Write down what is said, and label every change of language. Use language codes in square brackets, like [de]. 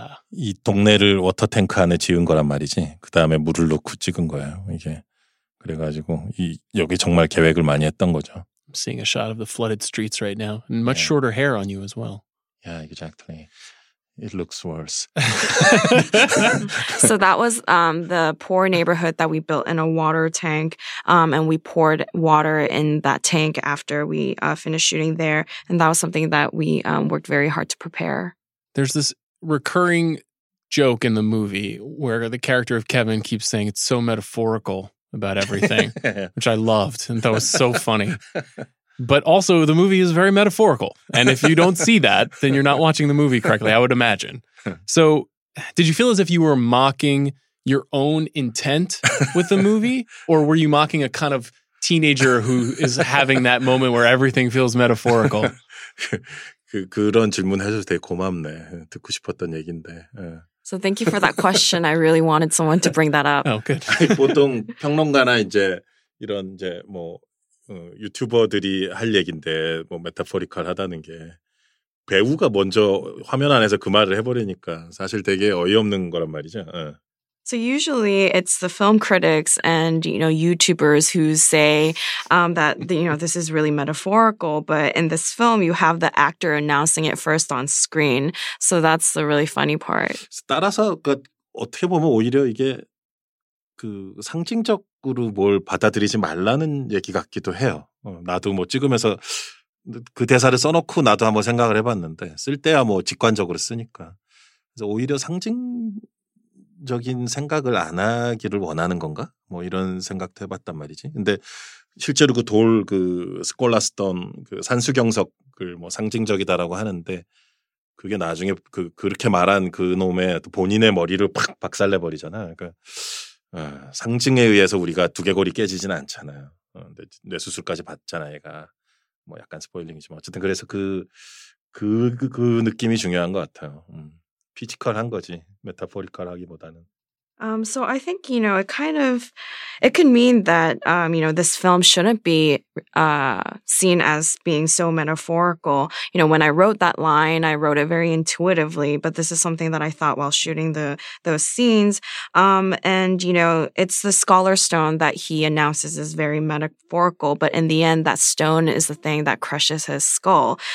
[ko] 이 동네를 워터탱크 안에 지은 거란 말이지. 그 다음에 물을 넣고 찍은 거예요. 이게 그래가지고 여기 정말 계획을 많이 했던 거죠. [en] I'm seeing a shot of the flooded streets right now. And much shorter hair on you as well. Yeah, exactly. It looks worse. So that was the poor neighborhood that we built in a water tank. And we poured water in that tank after we finished shooting there. And that was something that we worked very hard to prepare. There's this recurring joke in the movie where the character of Kevin keeps saying it's so metaphorical about everything, which I loved. And that was so funny. But also, the movie is very metaphorical. And if you don't see that, then you're not watching the movie correctly, I would imagine. So did you feel as if you were mocking your own intent with the movie? Or were you mocking a kind of teenager who is having that moment where everything feels metaphorical? [ko] 그런 질문 해줘서 되게 고맙네. 듣고 싶었던 얘기인데. [en] So thank you for that question. I really wanted someone to bring that up. Oh, good. [ko] 보통 평론가나 이제 이런 이제 뭐 유튜버들이 할 얘긴데 뭐 메타포리컬 하다는 게 배우가 먼저 화면 안에서 그 말을 해버리니까 사실 되게 어이없는 거란 말이죠. [en] So usually it's the film critics and, you know, YouTubers who say that, you know, this is really metaphorical. But in this film, you have the actor announcing it first on screen. So that's the really funny part. [ko] 따라서 어떻게 보면 오히려 이게 그 상징적으로 뭘 받아들이지 말라는 얘기 같기도 해요. 나도 뭐 찍으면서 그 대사를 써놓고 나도 한번 생각을 해봤는데 쓸 때야 뭐 직관적으로 쓰니까. 그래서 오히려 상징적인 생각을 안 하기를 원하는 건가? 뭐 이런 생각도 해봤단 말이지. 근데 실제로 그 돌 그 스콜라스톤 그 산수경석을 뭐 상징적이다라고 하는데 그게 나중에 그렇게 말한 그 놈의 본인의 머리를 팍 박살내버리잖아. 그러니까 상징에 의해서 우리가 두개골이 깨지진 않잖아요. 뇌수술까지 받잖아, 얘가. 뭐 약간 스포일링이지만. 어쨌든 그래서 그 느낌이 중요한 것 같아요. 피지컬한 거지, 메타포리컬 하기보다는. [en] So I think, you know, it could mean that, you know, this film shouldn't be seen as being so metaphorical. You know, when I wrote that line, I wrote it very intuitively, but this is something that I thought while shooting those scenes. And, you know, it's the scholar stone that he announces is very metaphorical, but in the end, that stone is the thing that crushes his skull.